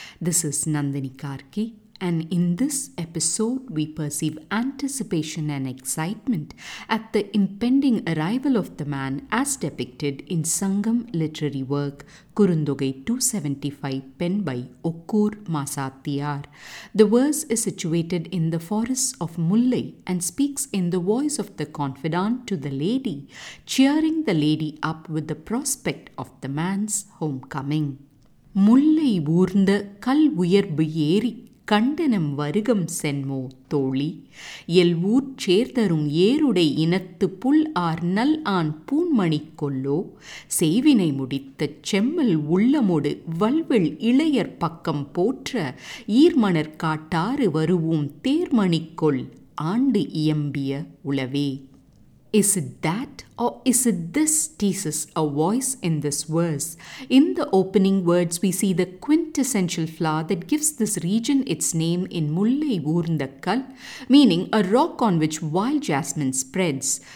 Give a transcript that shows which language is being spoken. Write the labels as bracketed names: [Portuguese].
[English] This is Nandini Karki, and in this episode we perceive anticipation and excitement at the impending arrival of the man as depicted in Sangam literary work Kurundogai 275 penned by Okkur Masathiyar. The verse is situated in the forests of Mullai and speaks in the voice of the confidant to the lady, cheering the lady up with the prospect of the man's homecoming. [Tamil] Mullai oorndha kal uyarbu yeri கண்டனம் வருகம் சென்மோ தோழி, L ஊர் சேர்தரும் ஏருடை இனத்து புல் R நல் ஆண் பூண்மணி கொல்லோ, செய்வினை முடித்த செம்மல் உள்ளமோடு வல்வெள் இளையர் பக்கம் போற்ற ஈர்மணர் காட்டாறு வருவோம் தேர்மணி கொல் ஆண்டு இயம்பிய உளவே. [English] Is it that or is it this teases a voice in this verse? In the opening words, we see the quintessential flower that gives this region its name in Mullai Oorndakkal, meaning a rock on which wild jasmine spreads.